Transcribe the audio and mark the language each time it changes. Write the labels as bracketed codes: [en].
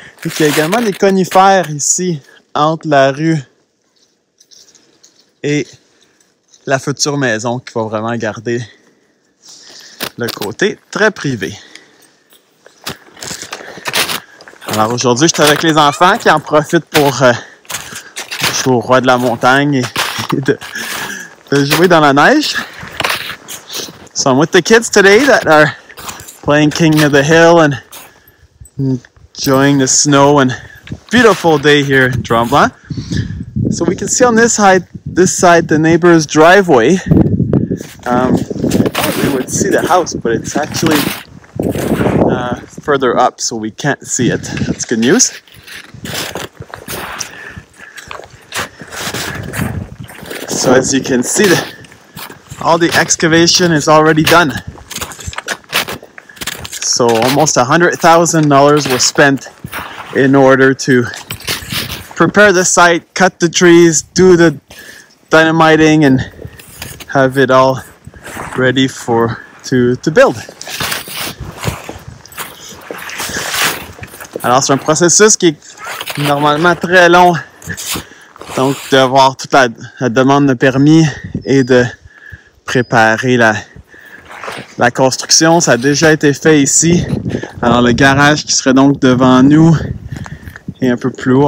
[fr] Et qu'il y a également des conifères ici entre la rue et la future maison qui va vraiment garder le côté très privé. Alors aujourd'hui, je suis avec les enfants qui en profitent pour jouer au roi de la montagne et de jouer dans la neige. [en] So I'm with the kids today that are playing King of the Hill and enjoying the snow and beautiful day here in Tremblant. So we can see on this side the neighbor's driveway. We would see the house, but it's actually further up, so we can't see it. That's good news. So as you can see, all the excavation is already done. So almost $100,000 was spent in order to prepare the site, cut the trees, do the dynamiting, and have it all ready for to build. [fr] Alors, c'est un processus qui est normalement très long. Donc, d'avoir toute la demande de permis et de préparer la construction. Ça a déjà été fait ici. Alors, le garage qui serait donc devant nous est un peu plus haut.